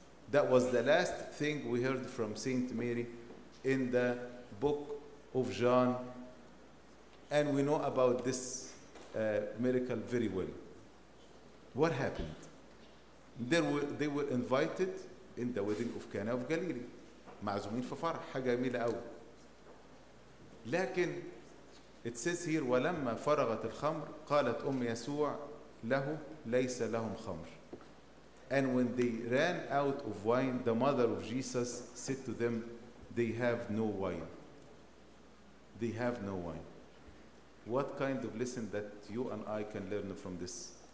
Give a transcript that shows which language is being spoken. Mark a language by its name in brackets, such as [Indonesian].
[English] That was the last thing we heard from Saint Mary in the book of John. And we know about this miracle very well. What happened? They were invited in the wedding of Cana of Galilee. [Arabic] معزومين في فرح حاجة جميلة قوي. لكن [English] it says here [Arabic] ولما فرغت الخمر قالت أم يسوع له ليس لهم خمر. [English] And when they ran out of wine, the mother of Jesus said to them, they have no wine. They have no wine. What kind of lesson that you and I can learn from this?